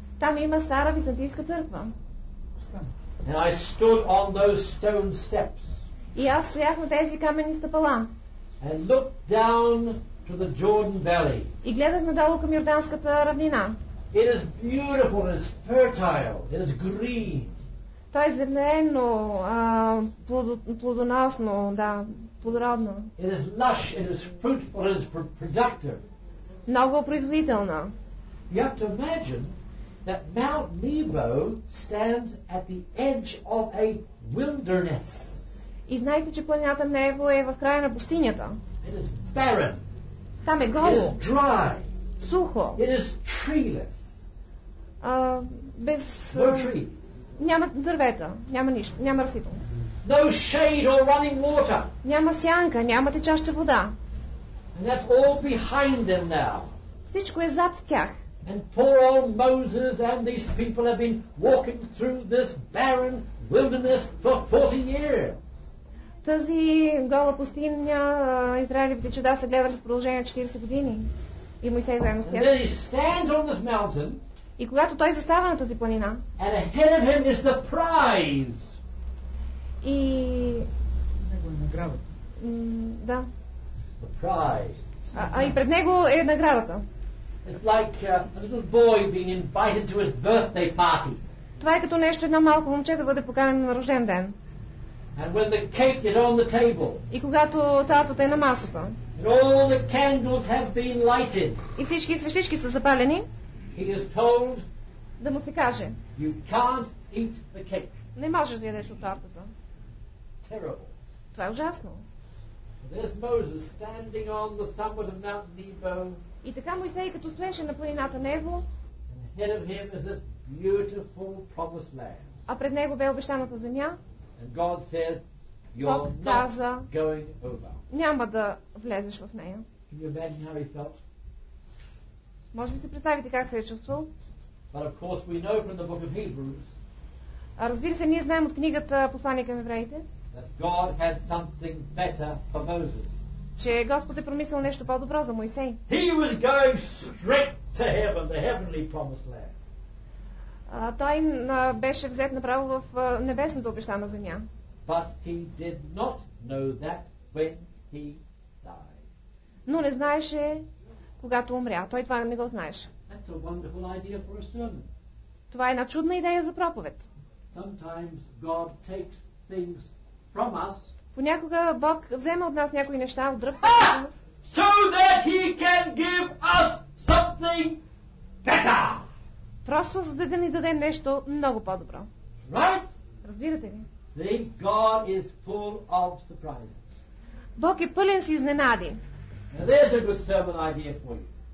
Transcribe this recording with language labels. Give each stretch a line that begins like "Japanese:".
Bulgarian: Там има стара византийска църква.
English: And I stood on those stone steps.
Bulgarian: И аз стоях на тези камени стъпала.
English: And looked down to the Jordan Valley.
Bulgarian: И гледах надолу към Йорданската равнина.
English: It is beautiful, it is fertile, it is green.
Bulgarian: То е зелено, плодоносно, да, плодородно.
English: It is lush, it is fruitful, it is productive.
Bulgarian: Много производителна.
English: You have to imagine that Mount Nebo stands at the edge of a wilderness.
Bulgarian: И знаете, че планината Небо е в края на пустинята.
English: It is barren.
Bulgarian: Там е голо.
English: It is dry.
Bulgarian: Сухо.
English: It is treeless.
Bulgarian: Без...
English: No tree.
Bulgarian: Няма дървета, няма нищо, няма растителност.
English: No shade or running water.
Bulgarian: Няма сянка, няма течаща вода.
English: And that's all behind them now.
Bulgarian: Всичко е зад тях.
English: And poor old Moses and these people have been walking through this barren wilderness for 40 years.
Bulgarian: Тази гола пустиня израелевите чада са гледали в продължение 40 години. И Мойсей заедно с тях.
English: And then he stands on this mountain.
Bulgarian: И когато той застава на тази планина.
English: And ahead of him is the prize.
Bulgarian: И него е наградата. Да.
English: The prize.
Bulgarian: И пред него е наградата.
English: It's like a little boy being invited to his birthday party.
Bulgarian: Това е като нещо едно малко момче да бъде поканено на рожден ден.
English: And when the cake is on the table.
Bulgarian: И когато тартата е на масата.
English: And all the candles have been lighted.
Bulgarian: И всички свещички са запалени.
English: He is told.
Bulgarian: Да му се каже.
English: You can't eat the cake.
Bulgarian: Не можеш да ядеш от тартата.
English: Terrible.
Bulgarian: Това е ужасно.
English: There's Moses standing on the summit of Mount Nebo.
Bulgarian: И така Мойсей като стоеше на планината Небо.
English: And ahead of him is this beautiful promised land.
Bulgarian: А пред него бе обещаната земя.
English: And God says, you're not
Bulgarian: каза,
English: going over.
Bulgarian: Няма да влезеш в нея.
English: Can you imagine how he felt?
Bulgarian: Може ли си представите как се е чувствал?
English: But of course we know from the book of Hebrews.
Bulgarian: Разбира се, ние знаем от книгата Послание към евреите.
English: That God had something better for Moses.
Bulgarian: Че Господ е промислил нещо по-добро за Мойсей.
English: He was going straight to heaven, the heavenly promised land.
Bulgarian: Той беше взет направо в небесната обещана земя. But he did not know that when he died. Но не знаеше, когато умря. Той това не го знаеше.
English: That's a wonderful idea for a sermon.
Bulgarian: Това е една чудна идея за проповед.
English: Sometimes God takes things from us.
Bulgarian: Понякога Бог взема от нас някои неща, отдръпва
English: so that he can give us something better.
Bulgarian: Просто за да ни даде нещо много по-добро.
English: Right?
Bulgarian: Разбирате ли?
English: See, God is full of surprises.
Bulgarian: Бог е пълен с изненади.
English: Now, there's a good sermon idea for you.